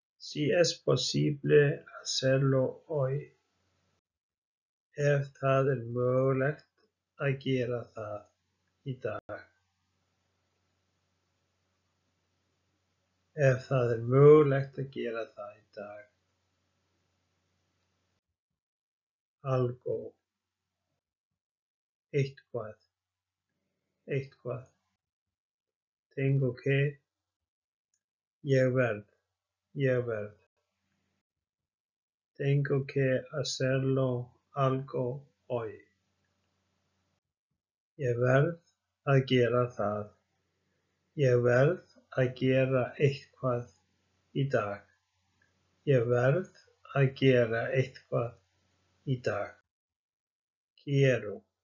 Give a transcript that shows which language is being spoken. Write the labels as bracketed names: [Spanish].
[Spanish] Si es posible hacerlo hoy. [Icelandic] Ef það er mögulegt að gera það í dag. Ef það er mögulegt að gera það í dag. [Spanish] Algo. [Icelandic] Eitthvað. Eitthvað. [Spanish] Tengo que. [Icelandic] Ég verð. Ég verð. [Spanish] Tengo que hacerlo algo hoy. [Icelandic] Ég verð að gera það. Ég verð að gera eitthvað í dag. Ég verð að gera eitthvað í dag. [Spanish] Quiero.